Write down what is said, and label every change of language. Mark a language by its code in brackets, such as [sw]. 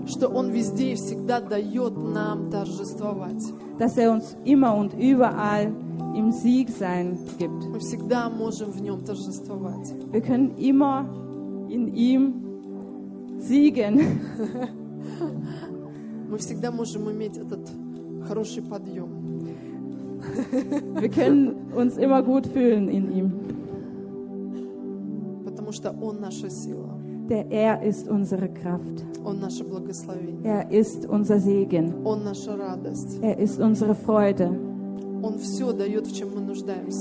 [ru] что Он везде и всегда дает нам торжествовать, [de] dass er uns immer und überall im Sieg sein gibt. [ru] Мы всегда можем в Нем торжествовать. [de] Wir können immer in ihm siegen. [ru] Мы всегда можем иметь этот хороший подъем. [de] Wir können uns immer gut fühlen in ihm. [ru] Потому что Он наша сила. [de] Denn er ist unsere Kraft. Er ist unser Segen. Er ist unsere Freude. [ru] Дает,